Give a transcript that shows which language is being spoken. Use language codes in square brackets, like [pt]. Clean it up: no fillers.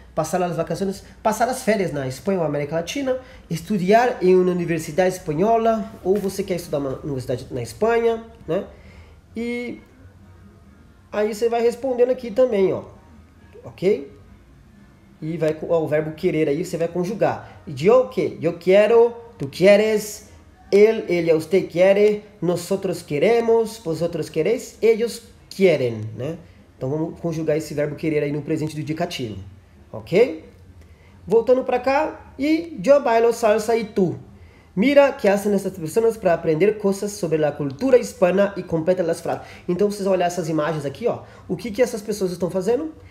[pt] Passar as férias na Espanha ou América Latina. Estudar em uma universidade espanhola. Ou você quer estudar uma universidade na Espanha, né? E aí você vai respondendo aqui também, ó. Ok? E vai o verbo querer aí, você vai conjugar. [es] Yo que? Yo quiero, tu quieres, él, ella, usted quiere, nosotros queremos, vosotros queréis, ellos quieren, né? [pt] Então vamos conjugar esse verbo querer aí no presente do indicativo, ok? Voltando para cá, e [es] yo bailo salsa [pt] e tu? [es] Mira que hacen [pt] essas pessoas para aprender coisas sobre a cultura hispana e completa as frases. Então vocês vão olhar essas imagens aqui, ó. O que essas pessoas estão fazendo?